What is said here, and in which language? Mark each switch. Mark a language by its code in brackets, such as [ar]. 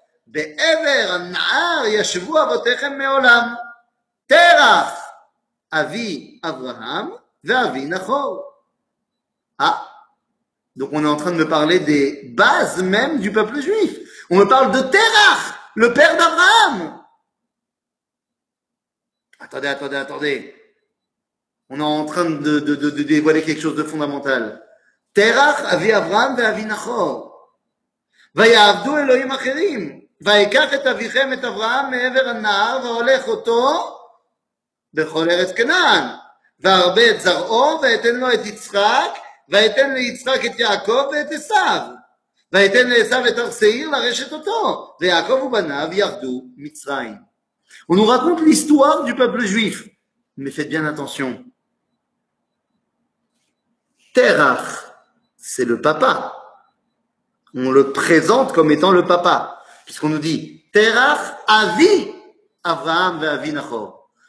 [he] בעבר הנער ישבו אבותיכם מעולם, תרח, אבי אברהם ואבי נחור. [fr] Ah, donc on est en train de me parler des bases même du peuple juif. On me parle de תרח, le père d'Abraham. Attendez. On est en train de dévoiler quelque chose de fondamental. [he] תרח, אבי אברהם ואבי נחור. ויעבדו אלוהים אחרים. ויקח את אביכם את אברהם מעבר הנער והולך אותו בכל ארץ כנען והרבה את זרעו ואתן לו את יצחק ואתן ליצחק את יעקב ואת עשיו ואתן לעשיו את הר שעיר לרשת אותו ויעקב ובניו ירדו מצרים. [fr] On nous raconte l'histoire du peuple juif. Mais faites bien attention. Terach, c'est le papa. On le présente comme étant le papa. Puisqu'on nous dit « [he] Terach Avi Avraham ve Avi Nachor.